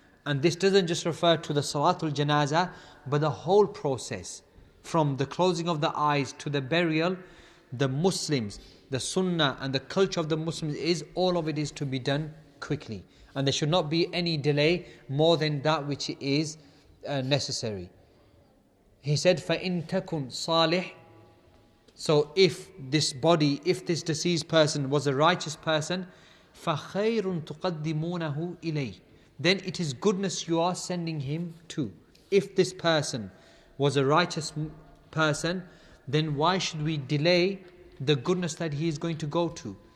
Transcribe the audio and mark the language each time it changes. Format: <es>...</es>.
<en>And this doesn't just refer to the salatul janaza, but the whole process from the closing of the eyes to the burial. The Muslims, the sunnah and the culture of the Muslims is all of it is to be done quickly. And there should not be any delay more than that which is necessary. He said,</en> <ar>فَإِن تَكُن صَالِحٍ.</ar> <en>So if this body, if this deceased person was a righteous person,</en> <ar>فَخَيْرٌ تُقَدِّمُونَهُ إِلَيْهِ,</ar> <en>then it is goodness you are sending him to. If this person was a righteous person, then why should we delay the goodness that he is going to go to?</en>